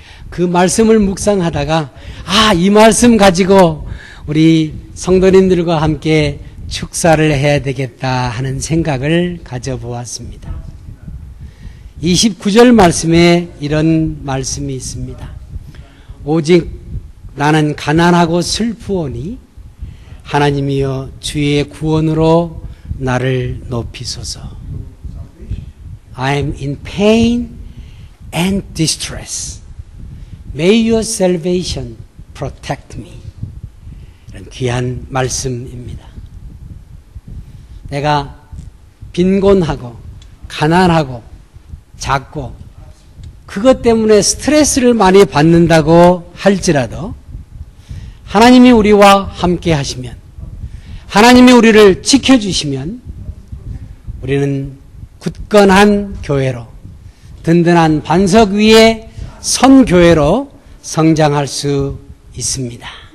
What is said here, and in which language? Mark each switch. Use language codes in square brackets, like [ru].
[ko] 그 말씀을 묵상하다가 아, 이 말씀 가지고 우리 성도님들과 함께 축사를 해야 되겠다 하는 생각을 가져보았습니다. 29절 말씀에 이런 말씀이 있습니다. 오직 나는 가난하고 슬프오니 하나님이여 주의 구원으로 나를 높이소서. [en] I am in pain and distress. May your salvation protect me. [ko] 이런 귀한 말씀입니다. 내가 빈곤하고 가난하고 작고 그것 때문에 스트레스를 많이 받는다고 할지라도 하나님이 우리와 함께 하시면 하나님이 우리를 지켜주시면 우리는 굳건한 교회로 든든한 반석 위에 선 교회로 성장할 수 있습니다.